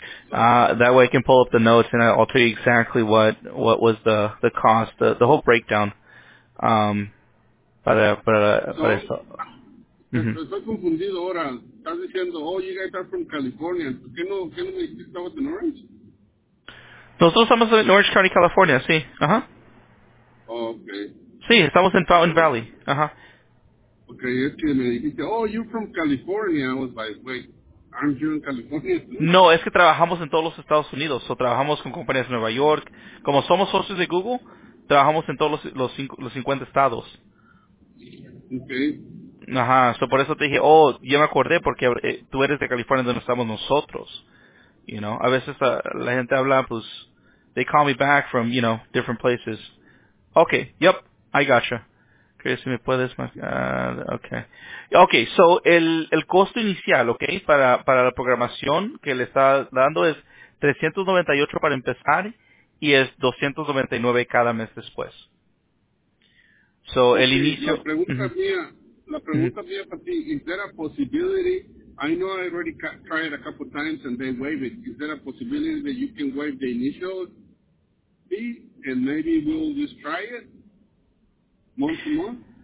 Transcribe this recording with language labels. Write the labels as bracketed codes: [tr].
[en] That way I can pull up the notes and I'll tell you exactly what was the cost, the whole breakdown. [es] Para eso. Mm-hmm. Estoy confundido ahora. [en] Estás diciendo, oh, you guys are from California. [es] ¿Qué no me dijiste que estabas en Orange? Nosotros estamos en Orange County, California, sí. Ajá. [en] Uh-huh. Okay. [es] Sí, estamos en Fountain Valley. Ajá. [en] Uh-huh. Okay, es que me dijiste, oh, you're from California. I was like, wait, aren't you in California? [es] No, es que trabajamos en todos los Estados Unidos. O trabajamos con compañías de Nueva York. Como somos socios de Google, trabajamos en todos los 50 estados. [en] Okay. [es] Ajá, so por eso te dije, oh, yo me acordé porque tú eres de California donde estamos nosotros, you know. [en] A veces la gente habla, pues, they call me back from, you know, different places. Okay, yep, I gotcha. [es] Chris, si me puedes, okay, so el costo inicial, okay, para la programación que le está dando es $398 para empezar y es $299 cada mes después. [en] So okay, [es] el inicio... [en] La pregunta mía para ti, is there a possibility, I know I already tried a couple of times and they waived it, is there a possibility that you can waive the initial fee and maybe we'll just try it month to month?